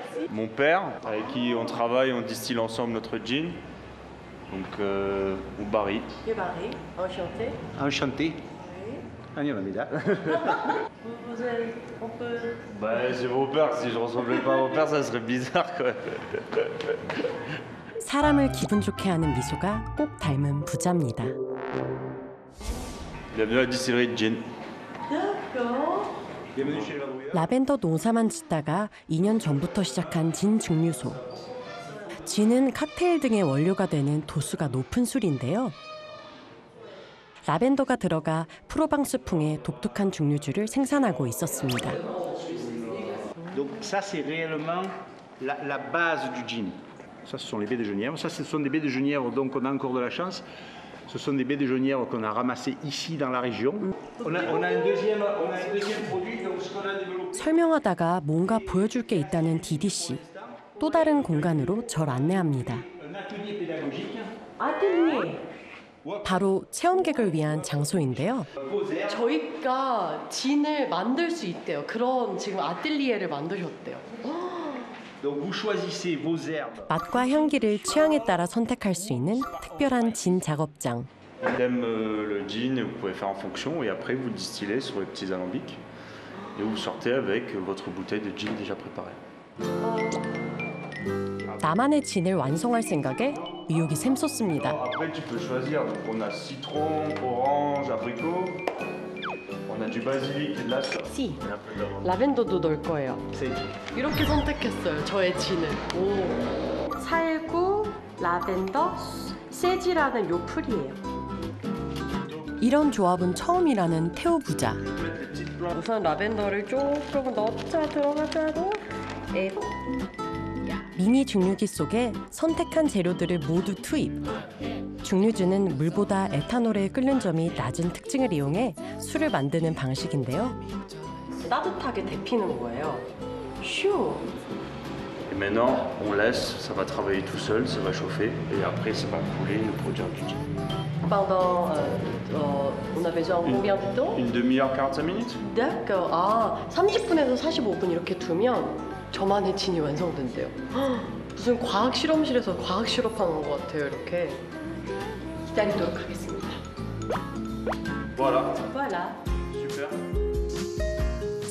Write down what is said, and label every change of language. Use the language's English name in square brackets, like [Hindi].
[French] Mon père avec qui on travaille, on distille ensemble notre gin. Donc, Ubari. Ubari, enchanté. Enchanté. Oui. Allez, on y va. Vous êtes un peu... Bah, c'est mon père. Si je ressemblais pas à mon père, ça serait bizarre, quoi. [Korean] 사람을 기분 좋게 하는 미소가 꼭 닮은 부자입니다. [French] Bienvenue à la distillerie de gin. D'accord. Bienvenue chez la Rouillard. [Korean] 라벤더 농사만 짓다가 2년 전부터 시작한 진 증류소. 진은 칵테일 등의 원료가 되는 도수가 높은 술인데요. 라벤더가 들어가 프로방스 풍의 독특한 증류주를 생산하고 있었습니다. [French] Donc ça c'est réellement la base du gin. Ça ce sont les baies de Genièvre. Ça ce sont des baies de Genièvre donc on a encore de la chance. Ce sont des baies de Genièvre qu'on a ramassées ici dans la région. On a un deuxième produit. [Korean] 설명하다가 뭔가 보여줄 게 있다는 디디 씨. 또 다른 공간으로 절 안내합니다. 바로 체험객을 위한 장소인데요. 저희가 진을 만들 수 있대요. 그런 지금 아틀리에를 만드셨대요. [French] Donc vous choisissez vos herbes. [Korean] 맛과 향기를 취향에 따라 선택할 수 있는 특별한 진 작업장. [French] Même le gin, vous pouvez faire en fonction et après vous distillez sur les petits alambics et vous sortez avec votre bouteille de gin déjà préparée. [Korean] 나만의 진을 완성할 생각에 의욕이 샘솟습니다. [French] Après, tu peux choisir. On a citron, orange, abricot. On a du basilic, de la sauce. Si. [Korean] 라벤더도 넣을 거예요. [French] Si. [Korean] 이렇게 선택했어요, 저의 진을. 오. 살구, 라벤더, 세지라는 요풀이에요. 이런 조합은 처음이라는 태우 부자. 우선 라벤더를 조금 넣자, 들어가자도. 에. 미니 증류기 속에 선택한 재료들을 모두 투입. 증류주는 물보다 에탄올에 끓는 점이 낮은 특징을 이용해 술을 만드는 방식인데요. 따뜻하게 데피는 거예요. 슈. [French] Et maintenant, on laisse, ça va travailler tout seul, ça va chauffer et après ça va couler le produit du gin. Pendant on a besoin combien de temps? Une demi-heure, 45 minutes. D'accord. [Korean] Ah, 30분에서 45분 이렇게 두면 저만의 진이 완성된대요. 무슨 과학 실험실에서 과학 실험하는 것 같아요. 이렇게 기다리도록 하겠습니다. [French] Voilà. Voilà. Super.